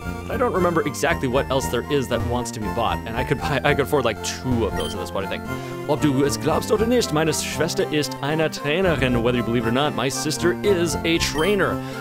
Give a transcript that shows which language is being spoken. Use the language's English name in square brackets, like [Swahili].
[English] I don't remember exactly what else there is that wants to be bought, and I could afford like two of those at this point, I think. [German] Ob du es glaubst oder nicht, meine Schwester ist eine Trainerin. [English] Whether you believe it or not, my sister is a trainer.